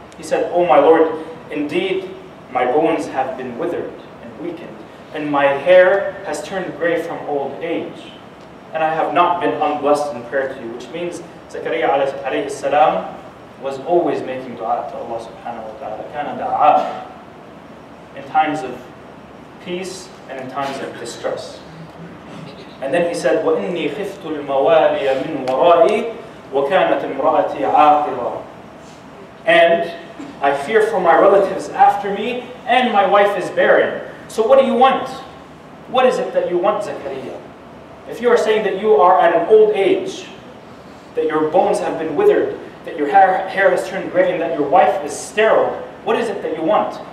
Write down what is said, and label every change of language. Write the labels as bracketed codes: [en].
[en] He said, "Oh my Lord, indeed my bones have been withered and weakened, and my hair has turned gray from old age, and I have not been unblessed in prayer to you," which means Zakariya alayhi salam was always making dua to Allah subhanahu wa ta'ala. Kana da'a in times of peace and in times of distress. And then he said, [ar] وَإِنِّي خِفْتُ الْمَوَالِيَ مِنْ وَرَائِي وَكَانَتِ امْرَأَتِي عَاقِرًا. [en] And I fear for my relatives after me, and my wife is barren. So what do you want? What is it that you want, Zakariya? If you are saying that you are at an old age, that your bones have been withered, that your hair has turned gray, and that your wife is sterile, what is it that you want?